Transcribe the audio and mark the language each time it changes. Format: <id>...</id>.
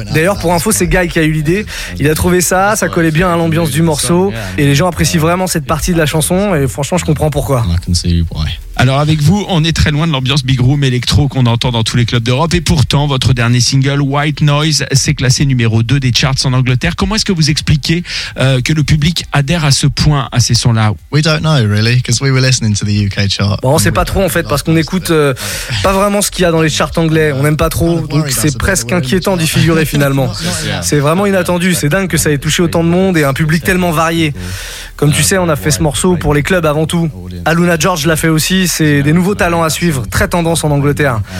<fr>D'ailleurs, pour info, c'est Guy qui a eu l'idée. Il a trouvé ça, ça collait bien à l'ambiance du morceau. Et les gens apprécient vraiment cette partie de la chanson. Et franchement, je comprends pourquoi. Alors avec vous, on est très loin de l'ambiance big room électro qu'on entend dans tous les clubs d'Europe. Et pourtant, votre dernier single, White Noise, s'est classé numéro 2 des charts en Angleterre. Comment est-ce que vous expliquez que le public adhère à ce point, à ces sons-là?</fr> <en>We don't know really, because we were listening to the UK chart.</en> <fr>Bon, on sait pas trop en fait, parce qu'on écoute pas vraiment ce qu'il y a dans les charts anglais. On aime pas trop, donc c'est presque inquiétant d'y figurer finalement. C'est vraiment inattendu, c'est dingue que ça ait touché autant de monde et un public tellement varié. Comme tu sais, on a fait ce morceau pour les clubs avant tout. Aluna George l'a fait aussi, c'est des nouveaux talents à suivre, très tendance en Angleterre.</fr>